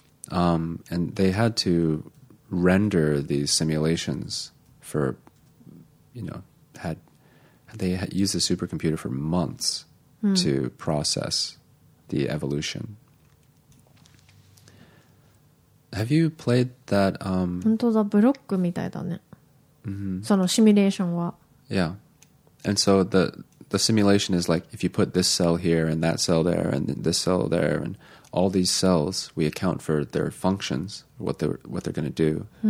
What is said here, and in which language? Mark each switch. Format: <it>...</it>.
<en>And they had to render these simulations for, you know, they had used the supercomputer for months to process the evolution. Have you played that?</en> <ja>本当だ、ブロックみたいだね。そのシミュレーションは。 Yeah.</ja> <en>And so the simulation is like, if you put this cell here and that cell there and this cell there and all these cells, we account for their functions, what they're going to do.</en>